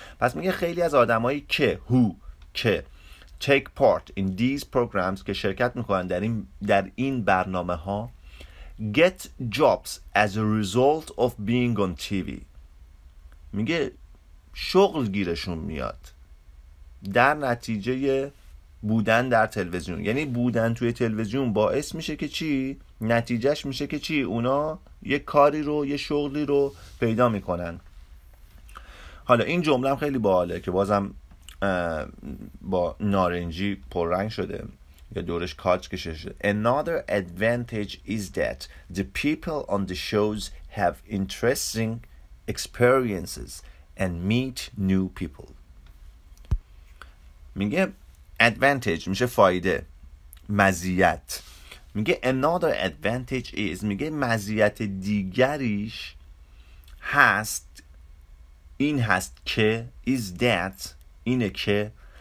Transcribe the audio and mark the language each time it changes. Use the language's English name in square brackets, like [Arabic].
[Persian] پس میگه خیلی از آدمایی که who، که [English] take part in these programs، [Persian] که شرکت میکنن در این برنامه ها، [English] get jobs as a result of being on TV، [Persian] میگه شغل گیرشون میاد در نتیجه بودن در تلویزیون، یعنی بودن توی تلویزیون باعث میشه که چی؟ نتیجهش میشه که چی؟ اونا یه کاری رو، یه شغلی رو پیدا میکنن. حالا این جمله هم خیلی باحاله که بازم با نارنجی پررنگ شده یا دورش کاج کشیده شده. [English] Another advantage is that the people on the shows have interesting experiences and meet new people. [Persian] میگه advantage میشه فایده، مزیت. میگه [English] another advantage is، [Persian] میگه مزیت دیگریش هست، این هست که، is that، اینه که